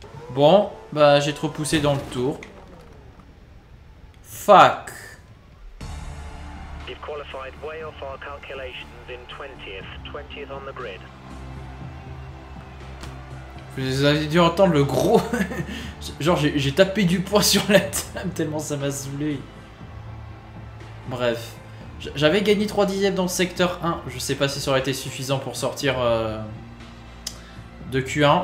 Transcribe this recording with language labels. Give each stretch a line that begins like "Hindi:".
French: Bon, bah j'ai trop poussé dans le tour.
English: Fuck. You've qualified way off our calculations in 20th on the grid.
French: Vous avez dû entendre le gros. Genre j'ai tapé du poing sur la table tellement ça m'a saoulé. Bref, j'avais gagné 3 dixièmes dans le secteur 1. Je sais pas si ça aurait été suffisant pour sortir de Q1.